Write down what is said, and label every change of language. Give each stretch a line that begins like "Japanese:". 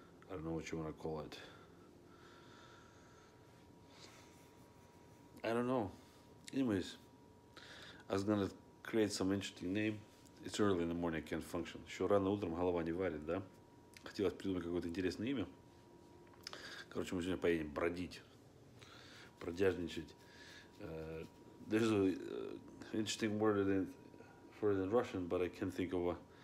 English: I don't know what you wanna call it. I don't know. Anyways, I was gonna create some interesting name. It's early in the morning, I can't function.
Russian: Еще рано утром, голова не варит, да? Хотелось придумать какое-то интересное имя. Короче, мы сегодня поедем бродить, продяжничать.
English: There's an interesting word for it in Russian, but I can't think of a...